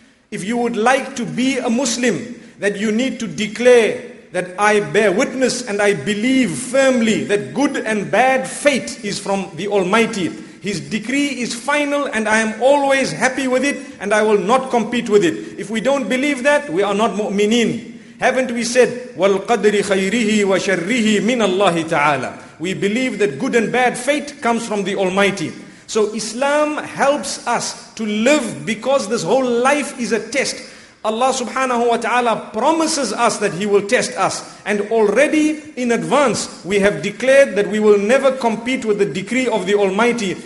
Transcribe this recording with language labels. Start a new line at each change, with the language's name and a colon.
English: If you would like to be a Muslim, that you need to declare that I bear witness and I believe firmly that good and bad fate is from the Almighty. His decree is final and I am always happy with it and I will not compete with it. If we don't believe that, we are not mu'mineen. Haven't we said,
Arabic: وَالْقَدْرِ خَيْرِهِ وَشَرِّهِ مِنَ اللَّهِ تَعَالَى.
English: We believe that good and bad fate comes from the Almighty. So Islam helps us to live because this whole life is a test. Allah subhanahu wa ta'ala promises us that He will test us. And already in advance, we have declared that we will never compete with the decree of the Almighty.